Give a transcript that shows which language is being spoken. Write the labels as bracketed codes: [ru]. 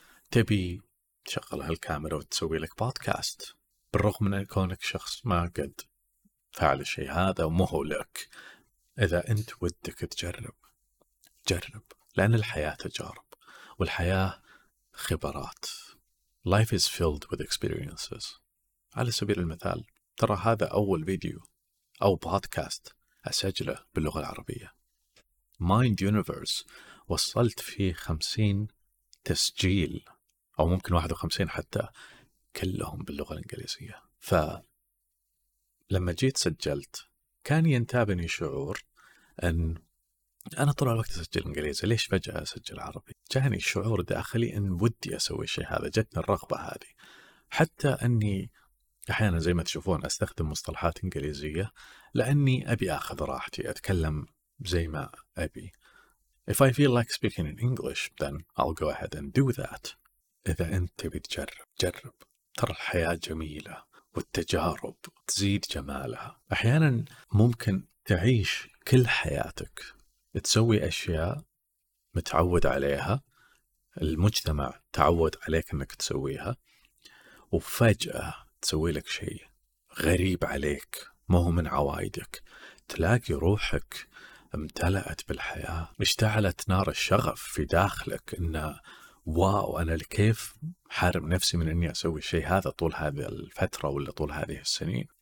[ar] تبي تشغل هالكاميرا وتسوي لك بودكاست بالرغم من كونك شخص ما قد فعل الشيء هذا ومهو لك، إذا أنت ودك تجرب جرب، لأن الحياة تجارب والحياة خبرات. [en] Life is filled with experiences. [ar] على سبيل المثال ترى هذا أول فيديو أو بودكاست أسجله باللغة العربية. Mind Universe وصلت فيه 50 تسجيل أو ممكن 51 حتى، كلهم باللغة الإنجليزية. لما جيت سجلت كان ينتابني شعور أن أنا طول الوقت أسجل إنجليزي، ليش فجأة أسجل عربي؟ جاني شعور داخلي أن ودي أسوي شيء هذا، جتني الرغبة هذه. حتى أني أحيانا زي ما تشوفون أستخدم مصطلحات إنجليزية لأني أبي أخذ راحتي، أتكلم زي ما أبي. [en] If I feel like speaking in English, then I'll go ahead and do that. [ar] إذا أنت بتجرب، جرب. ترى الحياة جميلة والتجارب تزيد جمالها. أحيانا ممكن تعيش كل حياتك تسوي أشياء متعود عليها، المجتمع تعود عليك أنك تسويها، وفجأة تسوي لك شيء غريب عليك ما هو من عوايدك، تلاقي روحك امتلأت بالحياة، اشتعلت نار الشغف في داخلك أنه واو أنا كيف حارب نفسي من أني أسوي الشيء هذا طول هذه الفترة ولا طول هذه السنين.